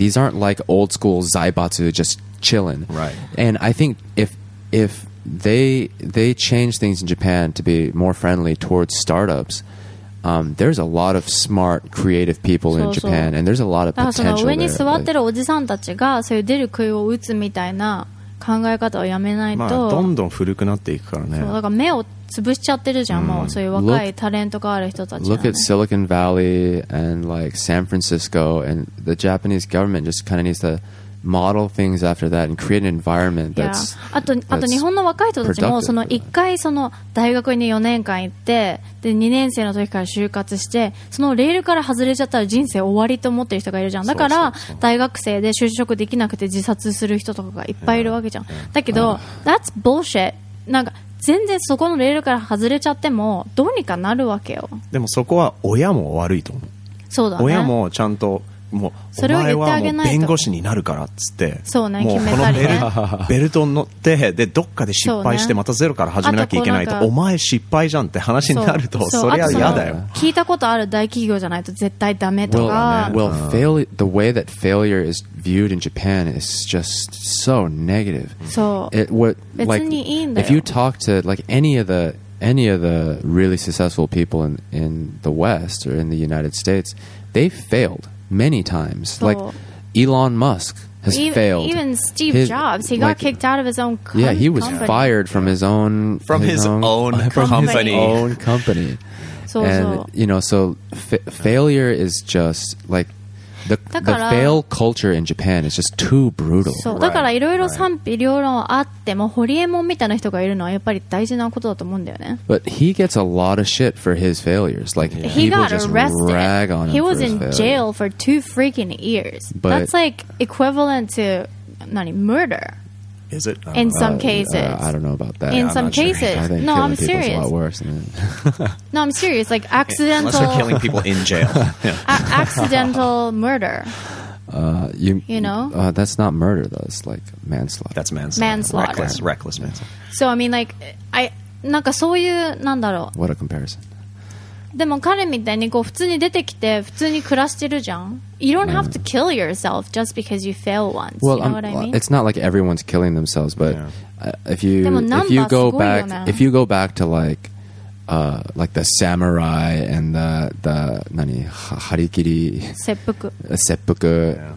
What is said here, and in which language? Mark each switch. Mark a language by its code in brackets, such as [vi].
[en] These aren't like old school Zaibatsu just chilling. Right. And I think if they change things in Japan to be more friendly towards startups, there's a lot of smart, creative people in Japan, and there's a lot of potential there. [ja] 上に座ってるおじさんたちがそういう出る杭を打つみたいな考え方をやめないと、まあ、どんどん古くなっていくからね。そう、だから目を潰しちゃってるじゃん、もうそういう若いタレントがある人たち、ね、 [en] look at Silicon Valley and like San Francisco and the Japanese government just kind of needs to model things after that and create an environment that's [ja] あと日本の若い人たちもその1回その大学に4年間行ってで2年生の時から就活してそのレールから外れちゃったら人生終わりと思ってる人がいるじゃん。だから大学生で就職できなくて自殺する人とかがいっぱいいるわけじゃん。 [en] だけど that's bullshit。 [ja] なんか全然そこのレールから外れちゃってもどうにかなるわけよ。でもそこは親も悪いと思う。そうだね、親もちゃんともうそれを言ってあげないと、お前はもう弁護士になるからっつって、そうね、もうこのベルトに乗ってでどっかで失敗してまたゼロから始めなきゃいけないと、ね、お前失敗じゃんって話になるとそれは嫌だよ。聞いたことある大企業じゃないと絶対ダメとか。 [en] well, failure, the way that failure is viewed in Japan is just so negative. [ja] そう、 [en] it, what, [ja] 別にいいんだよ。 [en] if you talk to like any of the really successful people in the West or in the United States, they failed many times. Like Elon Musk has failed. Even Steve Jobs, he got like, kicked out of his own company. Yeah, he was fired from his own company. And you know, so failure is just like the fail culture in Japan is just too brutal. [ja] そう、だからいろいろ賛否両論あっても、ホリエモンみたいな人がいるのはやっぱり大事なことだと思うんだよね。 [en] But he gets a lot of shit for his failures. Like he got arrested. He was in jail for two freaking years. That's like equivalent to murder. Is it? In some cases. I don't know about that. In some cases. No, I'm serious. A lot worse than that. No, I'm serious. Like accidental. Unless you're killing people in jail. accidental murder. You know? That's not murder, though. It's like manslaughter. That's manslaughter. Manslaughter. Reckless manslaughter. So, I mean, like, [ja] なんかそういう、なんだろう。 [en] What a comparison. [ja] でも彼みたいにこう普通に出てきて普通に暮らしてるじゃん。 [en] You don't have to kill yourself just because you fail once. Well, you know what I mean? It's not like everyone's killing themselves, but if you go back to like the samurai and the 何? Harikiri, seppuku,